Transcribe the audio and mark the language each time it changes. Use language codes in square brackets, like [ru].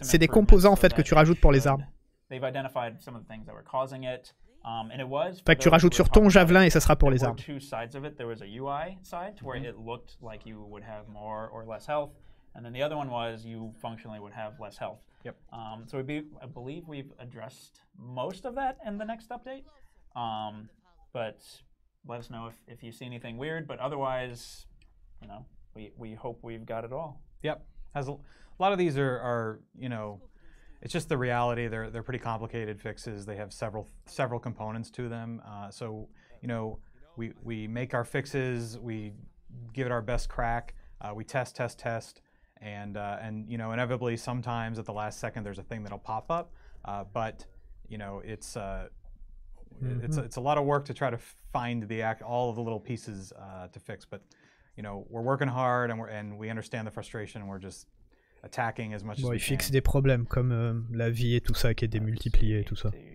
[fr] C'est des composants en fait que tu rajoutes pour les armes. [en] They've identified some of the things that were causing it. And it was [fr] fait que tu rajoutes sur ton javelin et ça sera pour les armes. [en] Two sides of it. There was a UI side where it looked like you would have more or less health, and then the other one was you functionally would have less health. Yep. So I believe we've addressed most of that in the next update. But let us know if you see anything weird, but otherwise, you know, we hope we've got it all. Yep. As a lot of these are, you know, it's just the reality. They're pretty complicated fixes. They have several components to them. So, you know, we make our fixes, we give it our best crack. We test. And you know, inevitably, sometimes at the last second, there's a thing that'll pop up. But you know, it's mm-hmm. it's a lot of work to try to find all of the little pieces to fix. But you know, we're working hard, and we understand the frustration. And we're just attacking as much [fr] bon, [en] as we can. [fr] Il fixe des problèmes comme la vie et tout ça qui est démultiplié et tout ça.